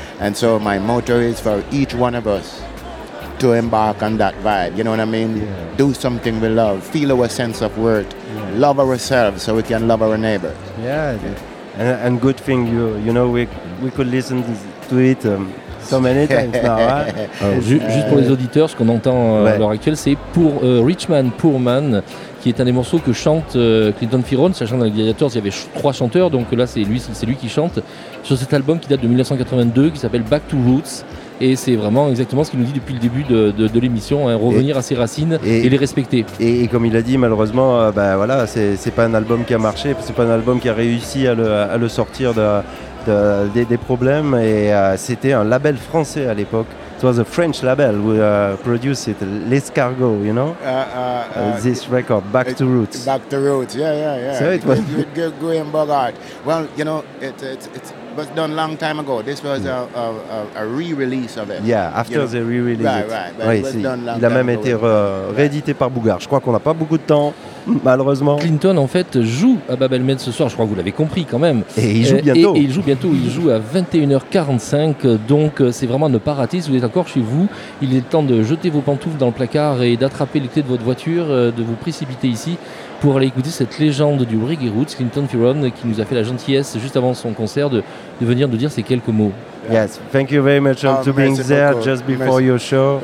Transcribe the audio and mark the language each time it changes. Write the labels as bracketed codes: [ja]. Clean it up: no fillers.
[en] And so my motto is for each one of us to embark on that vibe, you know what I mean? Yeah. Do something we love, feel our sense of worth, yeah. Love ourselves so we can love our neighbor. Yeah, and good thing, we could listen to it so many times now. [fr] Juste pour les auditeurs, ce qu'on entend à l'heure actuelle, c'est pour Rich Man, Poor Man, qui est un des morceaux que chante Clinton Fearon, sachant dans les Gladiators, il y avait trois chanteurs, donc là, c'est lui qui chante, sur cet album qui date de 1982, qui s'appelle Back to Roots. et c'est vraiment exactement ce qu'il nous dit depuis le début de l'émission, hein, revenir à ses racines et les respecter. Et comme il a dit, malheureusement, c'est pas un album qui a marché, c'est pas un album qui a réussi à le sortir des problèmes, c'était un label français à l'époque. [en] It was a French label who produced L'Escargot, you know? This record, Back to Roots. Back to Roots, yeah. So it was... Graham Bogart. Well, you know, it was done a long time ago. This was a re-release of it. Yeah, after you know? They re-released it. Right. It was done long [fr] Il a même été réédité par Bogart. Je crois qu'on n'a pas beaucoup de temps. Malheureusement. Clinton en fait joue à Babelmed ce soir, je crois que vous l'avez compris quand même. Et il joue bientôt. Et il joue bientôt, il joue à 21h45, donc c'est vraiment à ne pas rater. Si vous êtes encore chez vous, il est temps de jeter vos pantoufles dans le placard et d'attraper les clés de votre voiture, de vous précipiter ici pour aller écouter cette légende du Reggae Roots, Clinton Fearon, qui nous a fait la gentillesse juste avant son concert de venir nous dire ces quelques mots. [en] Yes, thank you very much to being there just before your show.